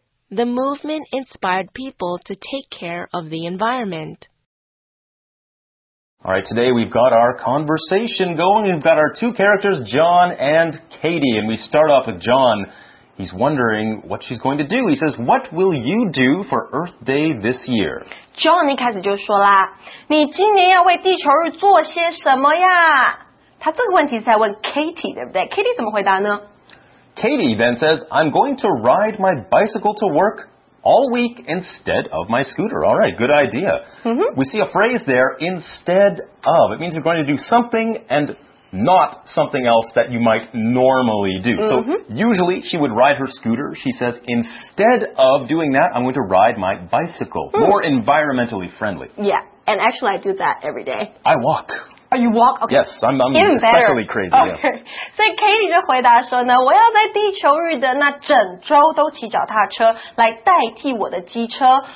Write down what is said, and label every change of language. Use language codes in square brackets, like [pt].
[en] The movement inspired people to take care of the environment. All right, today we've got our conversation going. We've got our two characters, John and Katie, and we start off with John. He's wondering what she's going to do. He says, What will you do for Earth Day this year? [zh] John 一开始就说啦，你今年要为地球日做些什么呀？他这个问题是在问 Katie, 对不对 ?Katie 怎么回答呢 [en] ?Katie then says, I'm going to ride my bicycle to work all week instead of my scooter. All right, good idea.、 Mm-hmm. We see a phrase there, instead of. It means you're going to do something and not something else that you might normally do.、 Mm-hmm. So usually she would ride her scooter. She says, instead of doing that, I'm going to ride my bicycle.、Mm-hmm. More environmentally friendly. Yeah, and actually I do that every day. I walk. Are you walk? Okay. Yes, I'm especially crazy. Okay. Yeah. [zh] 所以 Katie 就回答说呢，我要在地球日的那整周都骑脚踏车来代替我的机车。